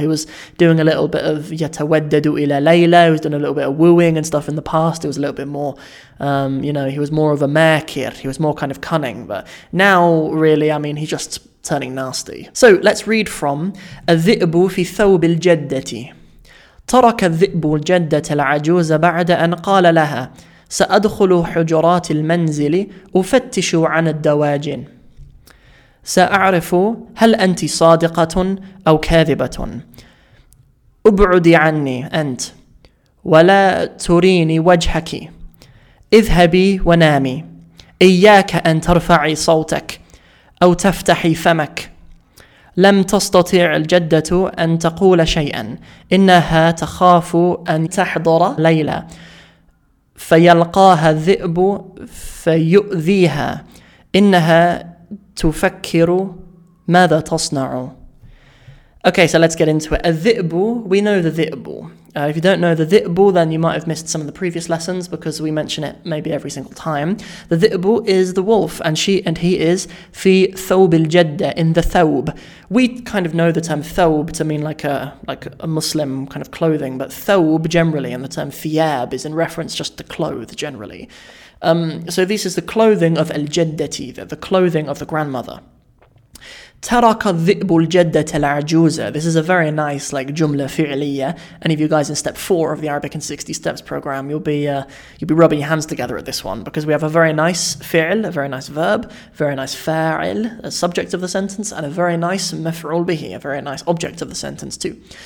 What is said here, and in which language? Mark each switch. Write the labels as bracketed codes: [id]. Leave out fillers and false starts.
[en] He was doing a little bit of [ar] yataweddedu ila layla, [en] he was doing a little bit of wooing and stuff in the past. It was a little bit more, he was more of a makir, he was more kind of cunning. But now, really, I mean, he just turning nasty. So let's read from [ar] الذئب في ثوب الجدة. ترك الذئب الجدة العجوز بعد أن قال لها سأدخل حجرات المنزل أفتش عن الدواجن سأعرف هل أنت صادقة أو كاذبة. أبعدي عني أنت ولا تريني وجهك. اذهبي ونامي. إياك أن ترفعي صوتك أو تفتحي فمك. لم تستطع الجدة أن تقول شيئا، إنها تخاف أن تحضر ليلى فيلقاها الذئب فيؤذيها، إنها تفكر ماذا تصنع. [en] Okay, so let's get into it. الذئب, we know the ذئب. If you don't know the ذئب, then you might have missed some of the previous lessons because we mention it maybe every single time. The ذئب is the wolf, and she and he is [ar] في ثوب الجدة, [en] in the ثوب. We kind of know the term ثوب to mean like a Muslim kind of clothing, but ثوب generally, and the term ثياب is in reference just to clothes generally. So this is the clothing of الجدة, the clothing of the grandmother. [ar] ترك الذئب الجدة العجوزة. [en] This is a very nice like جملة فعلية. Any of you guys in step 4 of the Arabic in 60 steps program, you'll be rubbing your hands together at this one, because we have a very nice فعل, a very nice verb, very nice فاعل, a subject of the sentence, and a very nice مفعول به, a very nice object of the sentence too.